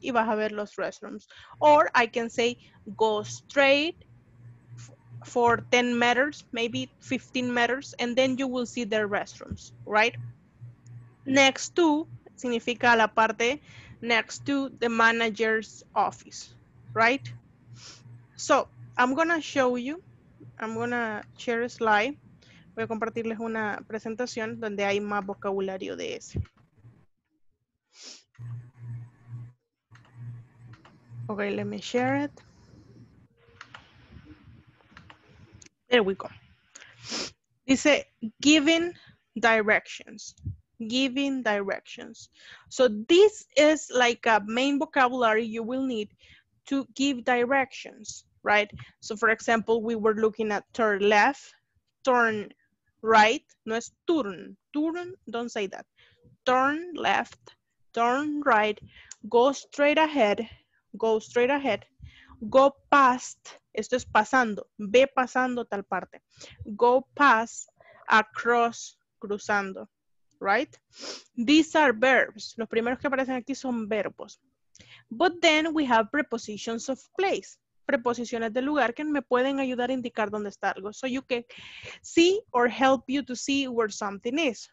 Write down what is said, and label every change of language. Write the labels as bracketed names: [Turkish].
[Spanish] Y vas a ver los [English] restrooms. Or I can say, go straight for 10 meters, maybe 15 meters, and then you will see the restrooms, right? Next to, [Spanish] significa la parte [English] next to the manager's office, right? So, I'm gonna show you, I'm gonna share a slide. [Spanish] Voy a compartirles una presentación donde hay más vocabulario de ese. [English] Okay, let me share it. There we go. Dice, giving directions. Giving directions. So this is like a main vocabulary you will need to give directions, right? So for example, we were looking at turn left, turn right. No es turn, turn, don't say that. Turn left, turn right, go straight ahead, go past, [Spanish] esto es pasando, ve pasando tal parte. [English] Go past, across, cruzando. Right? These are verbs. [Spanish] Los primeros que aparecen aquí son verbos. [English] But then we have prepositions of place. [Spanish] preposiciones de lugar que me pueden ayudar a indicar dónde está algo. [English] So you can see or help you to see where something is.